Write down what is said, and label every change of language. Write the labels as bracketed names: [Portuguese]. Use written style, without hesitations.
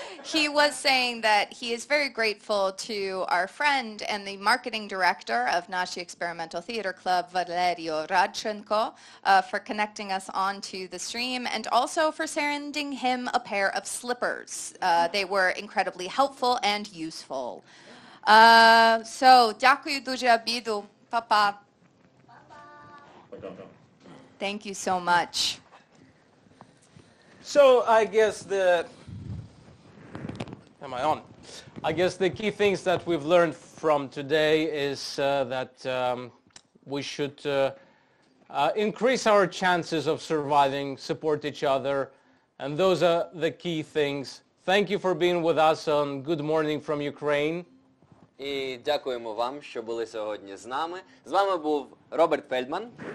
[English] he was saying that he is very grateful to our friend and the marketing director of Nashi Experimental Theater Club, Valerio Radchenko, for connecting us onto the stream and also for sending him a pair of slippers. They were incredibly helpful and useful. [Ukrainian] So, дякую дуже обіду, папа. [English] Thank you so much. So I guess the key things that we've learned from today is that we should increase our chances of surviving, support each other, and those are the key things. Thank you for being with us on Good Morning from Ukraine. [Ukrainian] І дякуємо вам, що були сьогодні з нами. З вами був Роберт Фельдман.